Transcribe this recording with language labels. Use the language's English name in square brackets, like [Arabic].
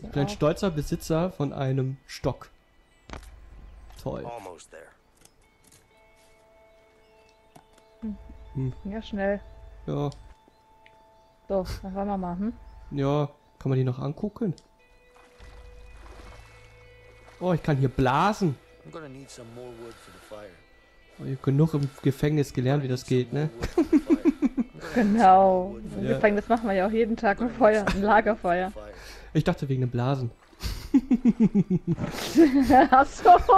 [German] Ich bin ein stolzer Besitzer von einem Stock. Toll. [English] Almost there. [German] Ja, schnell. Ja. Doch, dann wollen wir mal, hm? Ja, kann man die noch angucken? Oh, ich kann hier blasen. [English] I'm gonna need some more wood for the fire. [German] Oh, ihr habt genug im Gefängnis gelernt, wie das geht, ne? Genau. Im Gefängnis machen wir ja auch jeden Tag ein Feuer, ein Lagerfeuer. Ich dachte wegen den Blasen. Achso.